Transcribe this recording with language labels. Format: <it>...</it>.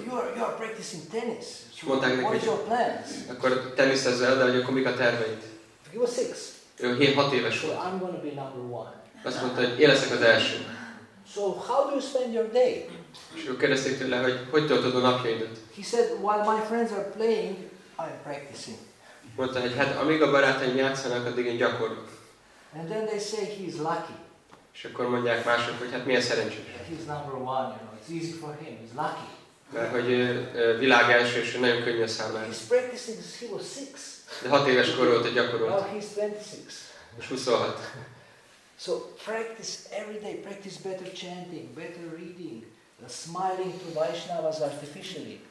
<en>You are practicing tennis.</en> <hu>És mondták neki,</hu> <en>what is your plans?</en> <hu>Akkor teniszezzel, de hogy akkor mik a terveid?</hu> <en>He was six.</en> <hu>Ő 6 éves volt.</hu> <en>So I'm gonna be number one.</en> <hu>Azt mondta, hogy én leszek az első.</hu> <en>So how do you spend your day?</en> <hu>És ő kérdezték tőle, hogy hogy töltöd a napjaidat.</hu> <en>He said, while my friends are playing, I'm practicing.</en> <hu>Mondta, hogy hát amíg a barátaim játszanak, addig én gyakorlok.</hu> <en>And then they say he's lucky.</en> <hu>És akkor mondják mások, hogy hát milyen szerencsés.</hu> <en>He's number one, you know, it's easy for him, he's lucky.</en> <hu>Mert hogy világ első, és nagyon könnyű a számára.</hu> <en>He's practicing since he was six.</en> <hu>De 6 éves kor volt, hogy gyakorolt.</hu> <en>Now he's 26.</en> <hu>Most 26.</hu> <en>So practice every day, practice better chanting, better reading. The smiling to Vaishnavas artificially.</en>